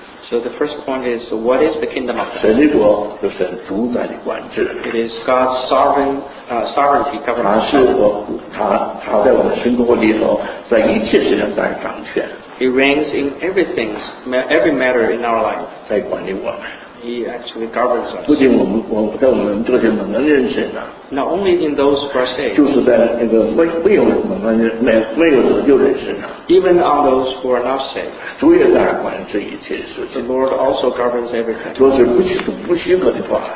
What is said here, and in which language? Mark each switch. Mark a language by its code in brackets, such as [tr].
[en] So the first point is what is the kingdom of God [zh] 神的国就是主宰的管制 [en] It is God's sovereignty government [zh] 他在我们生活里头在一切事情上掌权 [en] He reigns in everything every matter in our life [zh] 在管理我们 [en] He actually governs us [zh] 不仅我们在我们这些门人认识呢 [en] Not only in those who are saved, [zh] 就是在那个没有得救人士呢。 [en] Even on those who are not saved, [zh] 主也在管这一切事情。 [en] The Lord also governs everything. [zh] 若是不许可的话